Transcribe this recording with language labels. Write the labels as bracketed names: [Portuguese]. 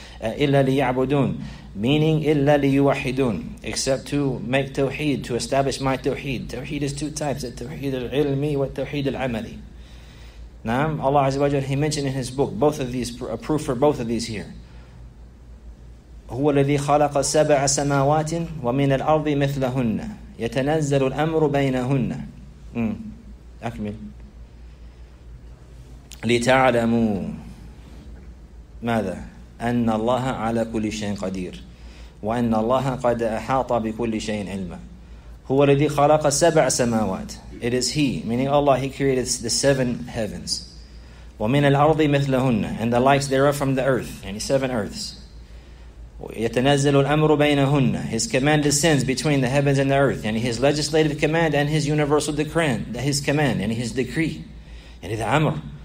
[Arabic] Illa liya'budun. [English] Meaning, [Arabic] illa liyuwahidun. [English] Except to make tawheed, to establish my tawheed. Tawheed is two types. [Arabic] At-tawheed al-ilmi wa tawheed al-amali. [English] Naam, Allah Azza wa Jalla, He mentioned in His book, both of these, a proof for both of these here. [Arabic] هو الذي خلق سبع سماوات ومن الأرض مثلهن يتنزل الأمر بينهن أكمل لتعلموا ماذا أن الله على كل شيء قدير وأن الله قد أحاط بكل شيء علما هو الذي خلق سبع سماوات [English] It is He, meaning Allah, He created the seven heavens. [Arabic] وَمِنَ الْأَرْضِ مِثْلَهُنَّ [English] And the likes thereof from the earth, yani seven earths. [Arabic] يَتَنَزَّلُ الْأَمْرُ بَيْنَهُنَّ [English] His command descends between the heavens and the earth. Yani His legislative command and His universal decree. His command, yani His decree. Yani the amr.